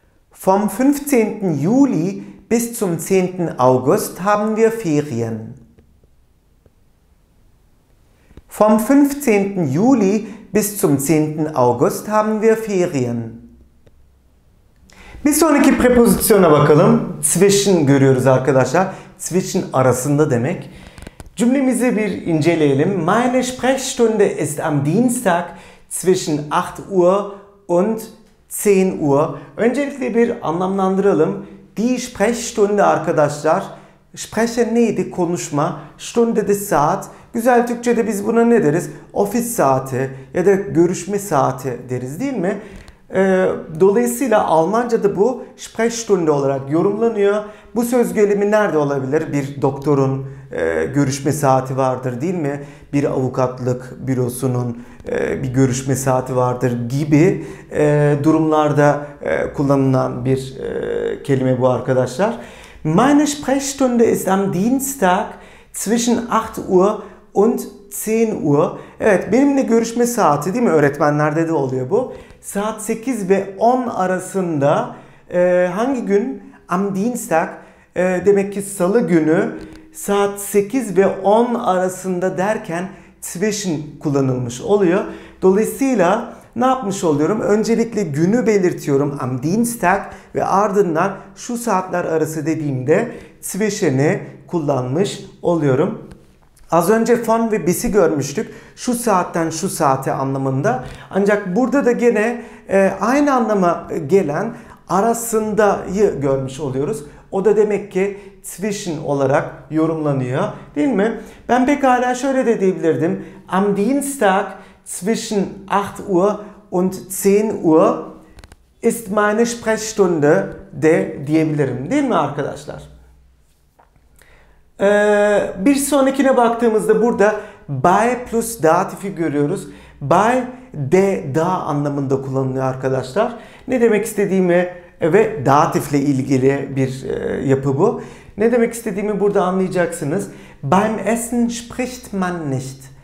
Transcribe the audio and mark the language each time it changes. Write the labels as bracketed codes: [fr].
[de] Vom 15. Juli bis zum 10. August haben wir Ferien. Vom 15. Juli bis zum 10. August haben wir Ferien. [tr] Bir sonraki präpozisyona bakalım. Zwischen görüyoruz arkadaşlar. Zwischen arasında demek. Cümlemizi bir inceleyelim. [de] Meine Sprechstunde ist am Dienstag zwischen 8 Uhr und 10 Uhr. [tr] Öncelikle bir anlamlandıralım. Die Sprechstunde arkadaşlar. Sprecher neydi? Konuşma. Stunde de saat. Güzel Türkçe'de biz buna ne deriz? Ofis saati ya da görüşme saati deriz değil mi? Dolayısıyla Almanca'da bu Sprechstunde olarak yorumlanıyor. Bu söz gelimi nerede olabilir? Bir doktorun görüşme saati vardır değil mi? Bir avukatlık bürosunun bir görüşme saati vardır gibi durumlarda kullanılan bir kelime bu arkadaşlar. [de] Meine Sprechstunde ist am Dienstag zwischen 8 Uhr und 10 Uhr. [tr] Evet, benimle görüşme saati değil mi? Öğretmenlerde de oluyor bu. Saat 8 ve 10 arasında hangi gün? Am Dienstag. Demek ki salı günü saat 8 ve 10 arasında derken zwischen kullanılmış oluyor. Dolayısıyla ne yapmış oluyorum? Öncelikle günü belirtiyorum. Am Dienstag ve ardından şu saatler arası dediğimde zwischen'i kullanmış oluyorum. Az önce von ve bis'i görmüştük. Şu saatten şu saate anlamında. Ancak burada da gene aynı anlama gelen arasındayı görmüş oluyoruz. O da demek ki zwischen olarak yorumlanıyor. Değil mi? Ben pekala şöyle de diyebilirdim. [de] Am Dienstag zwischen 8 Uhr und 10 Uhr ist meine Sprechstunde [tr] de diyebilirim. Değil mi arkadaşlar? Bir sonrakine baktığımızda burada bei plus datifi görüyoruz. Bei de da anlamında kullanılıyor arkadaşlar. Ne demek istediğimi ve datifle ilgili bir yapı bu. Ne demek istediğimi burada anlayacaksınız. [de] Beim Essen spricht man nicht.